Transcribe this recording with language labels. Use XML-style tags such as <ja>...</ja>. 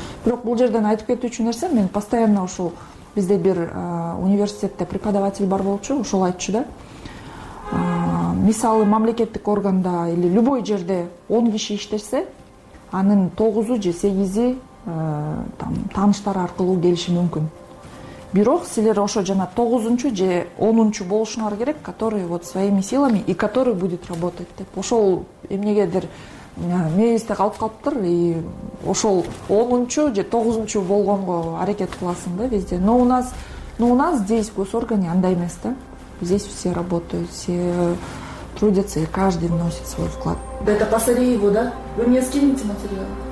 <ky>Бирок бул жерден айтып кетүүчү нерсе, мен постоянно ошол бизде бир университетте преподаватель бар болчу, ошол айтчу да. Мисалы мамлекеттик органда или любой жерде 10 киши иштесе, анын 9 же 8 там тааныштар аркылуу келиши мүмкүн. Бирок силер ошо жана 9-чу же 10-чу болушуңар керек, который вот своими силами и который будет работать деп. Ошол эмнегедир мээбизде калып калыптыр и ошол 10-чу же 9-чу болгонго аракет кыласың да везде.</ky> <ru>Но у нас здесь в госоргане андай эмес да. Здесь все работают, все трудятся и каждый вносит свой вклад. Да это по Сареву, да? Вы мне скинете материал?</ru>